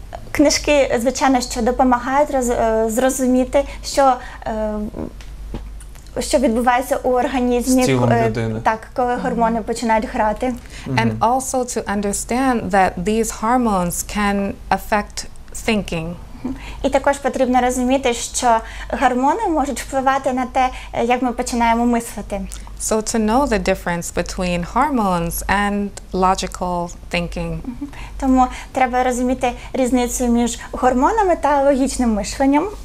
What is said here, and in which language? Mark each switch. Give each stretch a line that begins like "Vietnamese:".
Ukrainian: Книжки, звичайно, що допомагають зрозуміти, що відбувається у організмі, з тілом людини. Так, коли гормони mm-hmm. починають грати.
English: And also to understand that these hormones can affect thinking.
Ukrainian: І також потрібно розуміти, що гормони можуть впливати на те, як ми починаємо мислити.
English: So to know the difference between hormones and logical thinking.
Ukrainian: Тому треба розуміти різницю між гормонами та логічним мисленням.